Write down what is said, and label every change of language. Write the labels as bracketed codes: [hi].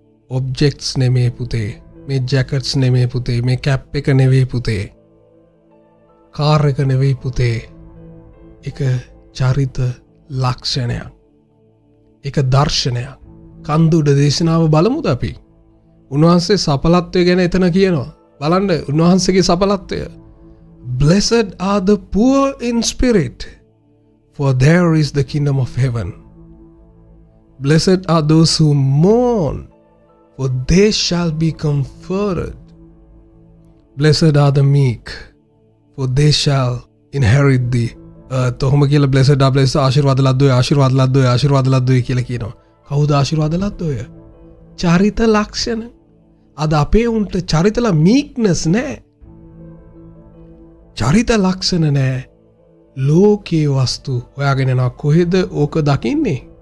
[si] Objects නෙමේ පුතේ, මේ ජැකට්ස් නෙමේ පුතේ, මේ කැප් එක නෙවෙයි පුතේ, කාර් එක නෙවෙයි පුතේ, එක චරිත ලක්ෂණයක්, එක දර්ශනයක්. කන්දුඩ දේශනාව බලමුද අපි? උන්වහන්සේ සඵලත්වය ගැන එතන කියනවා. බලන්න උන්වහන්සේගේ සඵලත්වය. [en] Blessed are the poor in spirit, for there is the kingdom of heaven. Blessed are those who mourn, for they shall be comforted. Blessed are the meek, for they shall inherit the earth. [si] ඔහොම කියලා [en] blessed are blessed [si] ආශිර්වාද ලද්දෝය ආශිර්වාද ලද්දෝය ආශිර්වාද ලද්දෝය කියලා කියනවා. කවුද ආශිර්වාද ලද්දෝය? චරිත ලක්ෂණ. අද අපේ උන්ට චරිතල meekness නැහැ. චරිත ලක්ෂණ නැහැ. ලෝකේ වස්තු හොයාගෙන යනවා කොහෙද ඕක දකින්නේ?